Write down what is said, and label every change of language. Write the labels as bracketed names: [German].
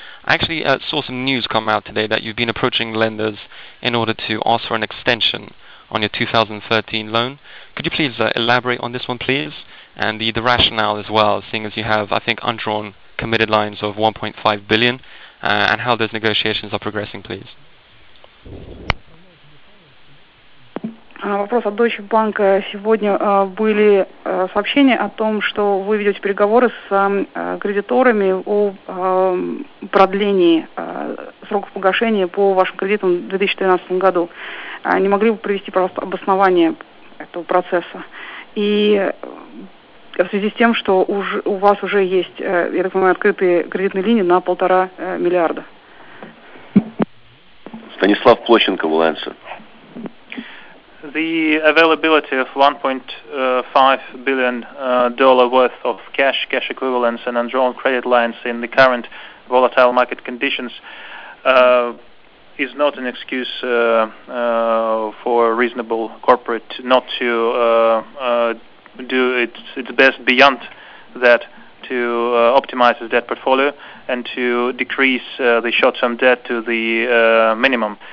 [English] I actually saw some news come out today that you've been approaching lenders in order to ask for an extension on your 2013 loan. Could you please elaborate on this one, please, and the rationale as well, seeing as you have, I think, undrawn committed lines of $1.5 billion, and how those negotiations are progressing, please? [Russian] Вопрос от Deutsche Bank. Сегодня были сообщения о том, что вы ведете переговоры с кредиторами о продлении сроков погашения по вашим кредитам в 2013 году. Не могли бы привести, пожалуйста, обоснование этого процесса? И в связи с тем, что у вас уже есть, я так понимаю, открытые кредитные линии на 1.5 миллиарда. [English] Станислав Плоченко will answer. The availability of $1.5 billion worth of cash, cash equivalents, and undrawn credit lines in the current volatile market conditions is not an excuse for a reasonable corporate not to do its best beyond that to optimize its debt portfolio and to decrease the short-term debt to the minimum.